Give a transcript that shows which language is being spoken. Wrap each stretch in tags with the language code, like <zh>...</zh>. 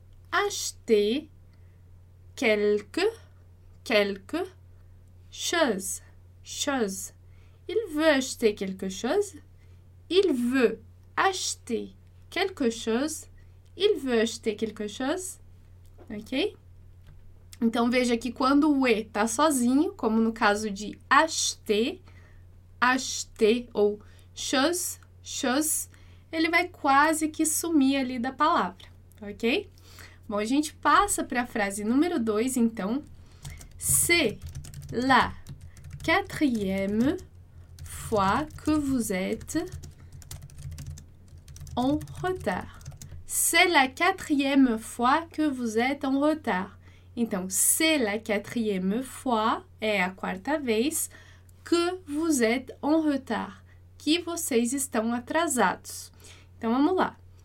<fr>Acheter quelque chose, chose. Il veut acheter quelque chose. Il veut acheter quelque chose. Il veut acheter quelque chose. Ok?</fr> <pt>Então veja que quando o E está sozinho, como no caso de acheter, acheter ou chose, chose, ele vai quase que sumir ali da palavra, ok? Bom, a gente passa para a frase número 2, então.</pt> <fr>C'est la quatrième fois que vous êtes en retard. C'est la quatrième fois que vous êtes en retard.</fr> <pt>Então,</pt> <fr>c'est la quatrième fois,</fr> <pt>é a quarta vez,</pt> <fr>que vous êtes en retard,</fr> <pt>que vocês estão atrasados. Então, vamos lá.</pt>